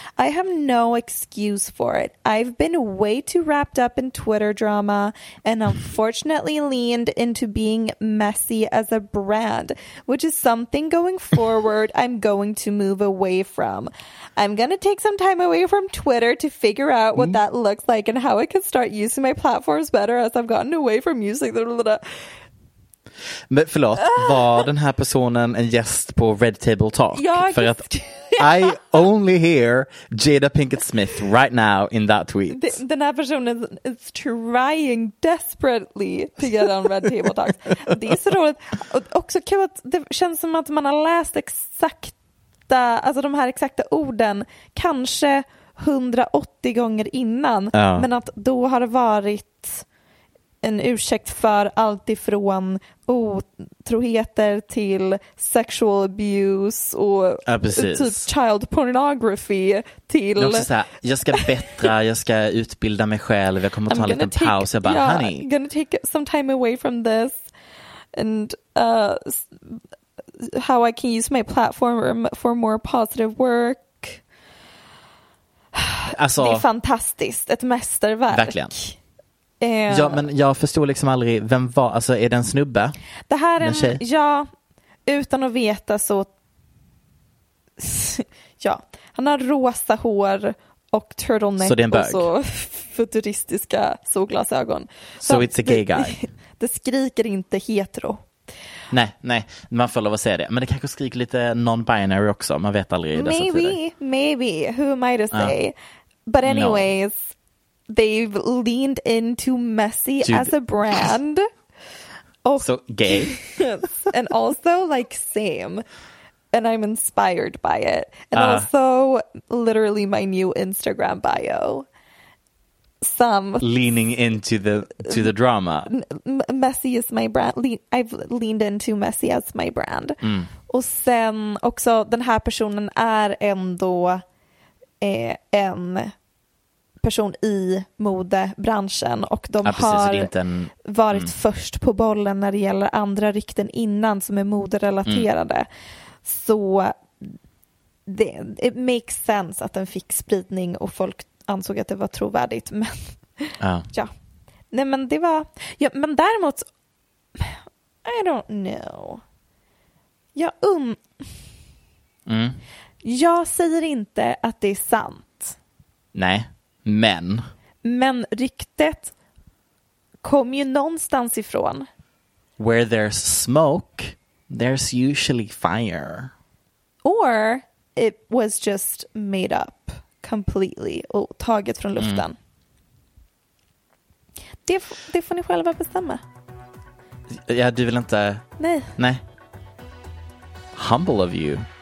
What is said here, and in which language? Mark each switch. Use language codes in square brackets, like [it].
[en] I have no excuse for it. I've been way too wrapped up in Twitter drama and unfortunately leaned into being messy as a brand, which is something going forward I'm going to move away from. I'm going to take some time away from Twitter to figure out what that looks like and how I can start using my platforms better as I've gotten away from using them. [sv] Men förlåt, var den här personen en gäst på Red Table Talk? För att [en] I only hear Jada Pinkett Smith right now in that tweet. [sv] Den här personen [en] is trying desperately to get on Red Table Talk. [sv] Det är så roligt. Också kul att det känns som att man har läst exakta, alltså de här exakta orden, kanske 180 gånger innan. Ja. Men att då har det varit... en ursäkt för allt ifrån otroheter till [en] sexual abuse [sv] och ja, precis. Typ [en] child pornography [sv] till... Så här, jag ska bättra, jag ska utbilda mig själv, jag kommer att ta en liten paus. Jag bara, [en] yeah, honey. I'm gonna take some time away from this and how I can use my platform for more positive work. [sv] Alltså, det är fantastiskt, ett mästerverk. Verkligen. Ja, men jag förstår liksom aldrig vem var, alltså är det en snubbe? Det här är en, ja, utan att veta så, ja, han har rosa hår och turtleneck så och så futuristiska solglasögon. [en] So it's a gay guy. [sv] Det skriker inte hetero. Nej, nej, man får lov att säga det. Men det kanske skriker lite non-binary också, man vet aldrig i dessa [en] tider. Maybe, who am I to say? Yeah. But anyways... No. They've leaned into messy Dude. As a brand. Oh. So gay. And also like same. And I'm inspired by it. And also literally my new Instagram bio. Some leaning into the drama. Messy is my brand. I've leaned into messy as my brand. Mm. [sv] Och sen också den här personen är ändå en person i modebranschen och de har varit först på bollen när det gäller andra rykten innan som är moderelaterade. Mm. Så det [en] makes sense [sv] att den fick spridning och folk ansåg att det var trovärdigt. Men ja. Nej, men det var... Ja, men däremot [en] I don't know. [sv] Jag Mm. Jag säger inte att det är sant. Nej, men. Men ryktet kom ju någonstans ifrån. [en] Where there's smoke, there's usually fire. Or it was just made up completely [sv] och taget från luften. [en] Mm. [sv] Det får ni själva bestämma. Ja, du vill inte... Nej. [en] Nej. Humble of you.